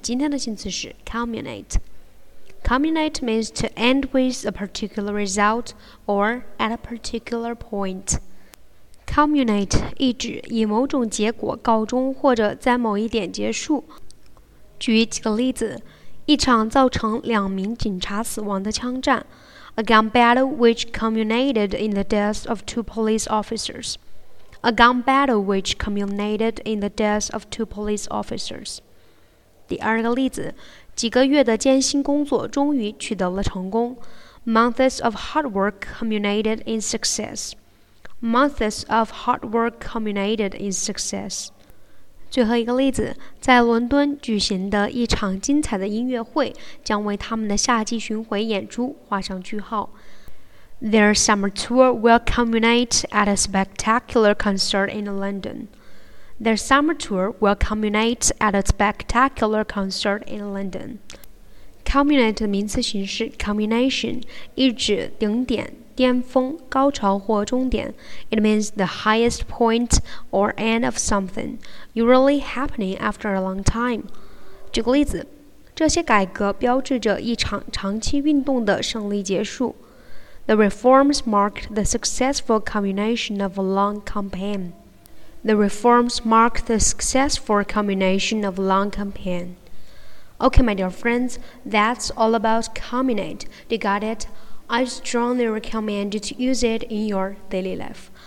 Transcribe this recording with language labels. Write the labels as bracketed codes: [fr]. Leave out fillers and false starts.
[zh] 今天的新词是 [en] culminate. Culminate means to end with a particular result or at a particular point. [zh] Culminate 意指以某种结果告终或者在某一点结束。举几个例子：一场造成两名警察死亡的枪战。 [en] A gun battle which culminated in the deaths of two police officers. A gun battle which culminated in the deaths of two police officers. [zh] 第二个例子，几个月的艰辛工作终于取得了成功。 [en] Months of hard work culminated in success. Months of hard work culminated in success. [zh] 最后一个例子，在伦敦举行的一场精彩的音乐会将为他们的夏季巡回演出画上句号。 [en] Their summer tour will culminate at a spectacular concert in London. Their summer tour will culminate at a spectacular concert in London. [zh] Culminate 的名词形式 culmination 意指顶点、巅峰、高潮或终点。 [en] It means the highest point or end of something, usually happening after a long time. [zh] 举个例子，这些改革标志着一场长期运动的胜利结束。 [en] The reforms marked the successful culmination of a long campaign. The reforms marked the successful culmination of a long campaign. Okay, my dear friends, that's all about culminate. You got it? I strongly recommend you to use it in your daily life.